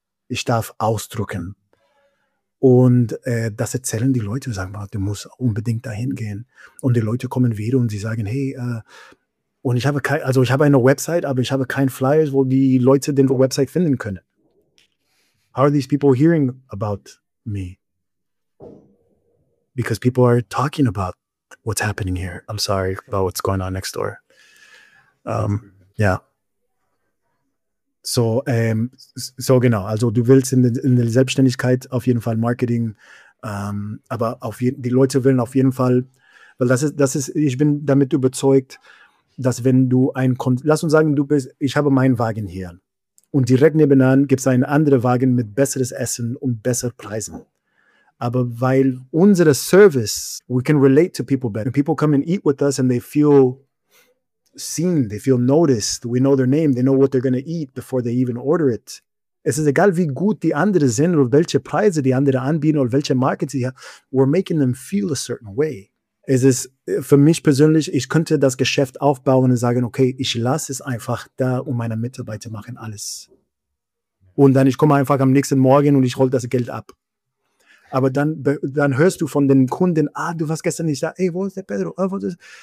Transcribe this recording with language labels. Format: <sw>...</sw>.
<de>Ich darf ausdrücken. Und das erzählen die Leute. Sagen wir, du musst unbedingt dahin gehen. Und die Leute kommen wieder und sie sagen, hey, und ich habe eine Website, aber ich habe keinen Flyer, wo die Leute den Website finden können.</de> <en>How are these people hearing about me? Because people are talking about what's happening here. I'm sorry about what's going on next door.</en> <de>Yeah. So genau. Also du willst in der Selbstständigkeit auf jeden Fall Marketing, aber die Leute wollen auf jeden Fall, weil das ist, ich bin damit überzeugt, dass wenn du lass uns sagen, ich habe meinen Wagen hier Und direkt nebenan gibt es einen anderen Wagen mit besseres Essen und besseren Preisen. Aber weil unsere Service,</de> <en>we can relate to people better. People come and eat with us and they feel seen, they feel noticed. We know their name, they know what they're going to eat before they even order it.</en> <de>Es ist egal, wie gut die anderen sind oder welche Preise die anderen anbieten oder welche Marken sie haben.</de> <en>We're making them feel a certain way.</en> <de>Es ist für mich persönlich, ich könnte das Geschäft aufbauen und sagen, okay, ich lasse es einfach da und meine Mitarbeiter machen alles. Und dann ich komme einfach am nächsten Morgen und ich roll das Geld ab. Aber dann hörst du von den Kunden, ah, du warst gestern nicht da, ey, wo ist der Pedro? Oh, wo ist der?</de>